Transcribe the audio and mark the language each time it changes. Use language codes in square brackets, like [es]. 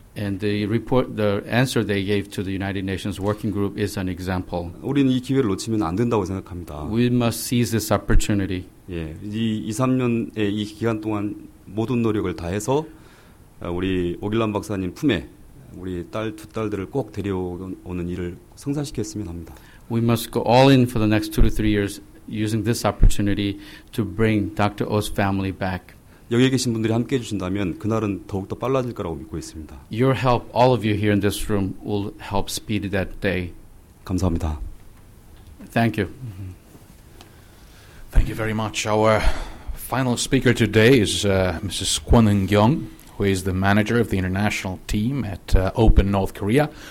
[en] And the answer they gave to the United Nations Working Group is an example. [ko] 우리는 이 기회를 놓치면 안 된다고 생각합니다. [en] We must seize this opportunity. [ko] 예, 이 2-3년의 이 기간 동안 모든 노력을 다해서 우리 오길란 박사님 품에 우리 딸 두 딸들을 꼭 데려오는 일을 성사시켰으면 합니다. [en] We must go all in for the next 2-3 years using this opportunity to bring Dr. Oh's family back. [ko] 여기 계신 분들이 함께 해주신다면 그날은 더욱더 빨라질 거라고 믿고 있습니다. [en] Your help, all of you here in this room, will help speed that day. [ko] 감사합니다. [en] Thank you. Thank you very much. Our final speaker today is Mrs. Kwon Eun-kyung, who is the manager of the international team at Open North Korea.